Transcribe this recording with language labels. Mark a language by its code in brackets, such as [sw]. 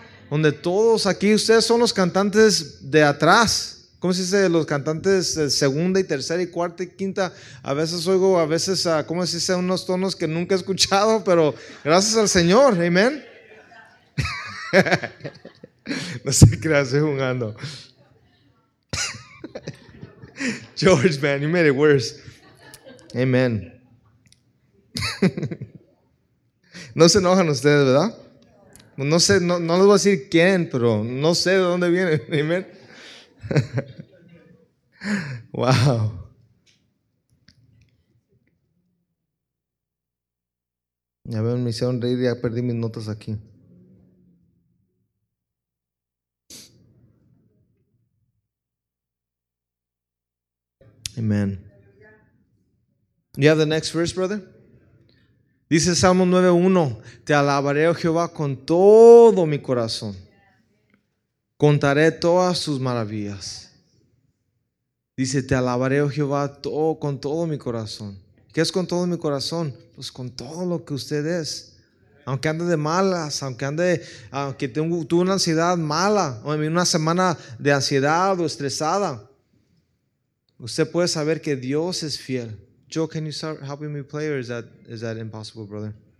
[es] Donde todos aquí, ustedes son los cantantes de atrás. ¿Cómo se dice? Los cantantes segunda y tercera y cuarta y quinta. A veces oigo, a veces, ¿cómo se dice? Unos tonos que nunca he escuchado, pero gracias al Señor. ¿Amén? No se crea, estoy jugando. [en] George, man, you made it worse. [es] ¿Amén? No se enojan ustedes, ¿verdad? No sé, no les voy a decir quién, pero no sé de dónde vienen. ¿Amén? Wow. Ya me hicieron reír y ya perdí mis notas aquí. Amen. [en] You have the next verse, brother? [es] Dice Salmo 9:1, te alabaré, oh Jehová, con todo mi corazón. Contaré todas sus maravillas. Dice, te alabaré, oh Jehová, todo, con todo mi corazón. ¿Qué es con todo mi corazón? Pues con todo lo que usted es. Aunque ande de malas, aunque tuve una ansiedad mala, o una semana de ansiedad o estresada, usted puede saber que Dios es fiel. [en] Joe, can you start helping me play, or is that impossible, brother?